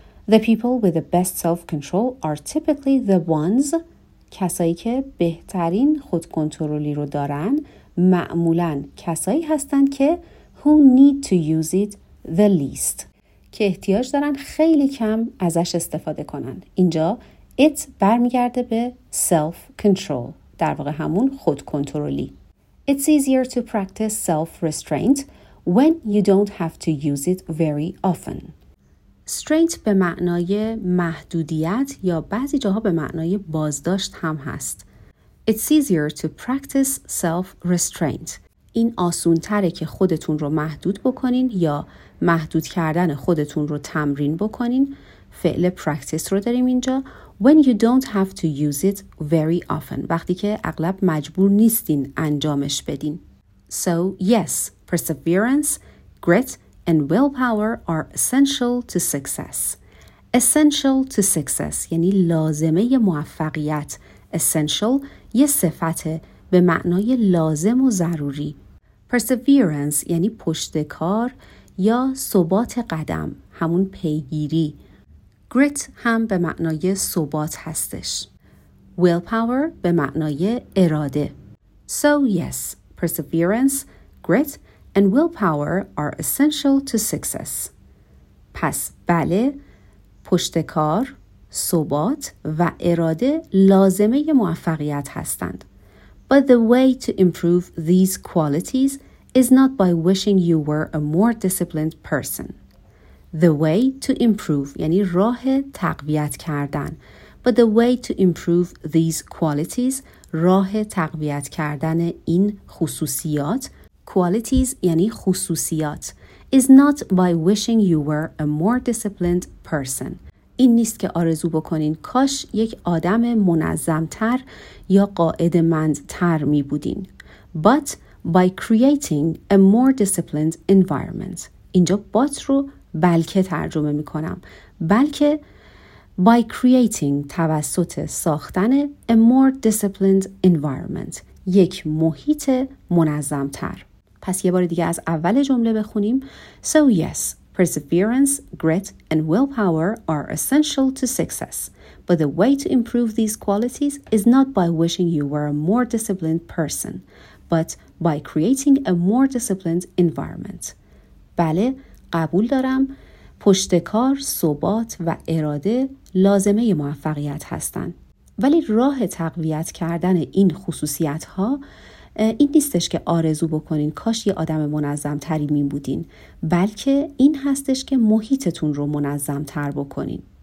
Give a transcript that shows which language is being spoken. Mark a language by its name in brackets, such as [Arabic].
[English] The people with the best self-control are typically the ones، [Persian] کسایی که بهترین خودکنترلی رو دارن معمولاً کسایی هستن که [English] who need to use it the least، [Persian] که احتیاج دارن خیلی کم ازش استفاده کنن. اینجا it برمیگرده به self-control، در واقع همون خودکنترلی. [English] It's easier to practice self-restraint when you don't have to use it very often. [Persian] Restraint به معنای محدودیت یا بعضی جاها به معنای بازداشت هم هست. [English] It's easier to practice self-restraint. [Persian] این آسون تره که خودتون رو محدود بکنین یا محدود کردن خودتون رو تمرین بکنین. فعل practice رو داریم اینجا. [English] When you don't have to use it very often. [Persian] وقتی که اغلب مجبور نیستین انجامش بدین. [English] So yes, perseverance, grit and willpower are essential to success. Essential to success [Persian] یعنی لازمه ی موفقیت. Essential یه صفته به معنای لازم و ضروری. Perseverance یعنی پشت کار یا ثبات قدم، همون پیگیری. Grit هم به معنای ثبات هستش. Willpower به معنای اراده. [English] So yes, perseverance, grit and willpower are essential to success. [Persian] پس بله، پشت کار، ثبات و اراده لازمه موفقیت هستند. [English] But the way to improve these qualities is not by wishing you were a more disciplined person. The way to improve [Persian] یعنی راه تقویت کردن. [English] But the way to improve these qualities [Persian] راه تقویت کردن این خصوصیات [English] qualities [Persian] یعنی خصوصیات [English] is not by wishing you were a more disciplined person. [Persian] این نیست که آرزو بکنین کاش یک آدم منظم‌تر یا قاعده‌مندتر می بودین. [English] But by creating a more disciplined environment. [Persian] اینجا but رو بلکه ترجمه می کنم. بلکه [English] by creating [Persian] توسط ساختن [English] a more disciplined environment. [Persian] یک محیط منظم‌تر. پس یه بار دیگه از اول جمله بخونیم. [English] So yes. Perseverance, grit, and willpower are essential to success. But the way to improve these qualities is not by wishing you were a more disciplined person, but by creating a more disciplined environment. [Persian] بله، قبول دارم. پشت کار، ثبات و اراده لازمه موفقیت هستند. ولی راه تقویت کردن این خصوصیت ها این نیستش که آرزو بکنین کاش یه آدم منظم تری می بودین، بلکه این هستش که محیطتون رو منظم تر بکنین.